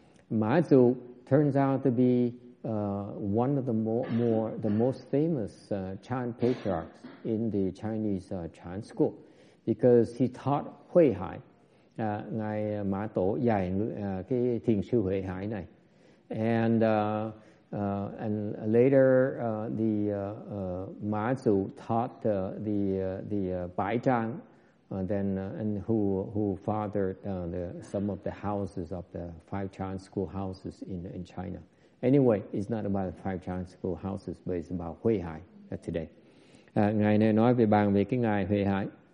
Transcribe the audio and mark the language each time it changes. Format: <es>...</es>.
<en>Mã Tổ turns out to be one of the most famous Chan patriarchs in the Chinese Chan school. Because he taught Huệ Hải,</en> <vi>ngài Mã Tổ dạy cái thiền sư Huệ Hải này,</vi> <en>and later Mã Tổ taught the Bai Zhang, who fathered some of the houses of the Five Chan school houses in China. Anyway, it's not about the Five Chan school houses, but it's about Huệ Hải today.</en> <vi>Ngài này nói về bàn về cái ngài Huệ Hải.</vi>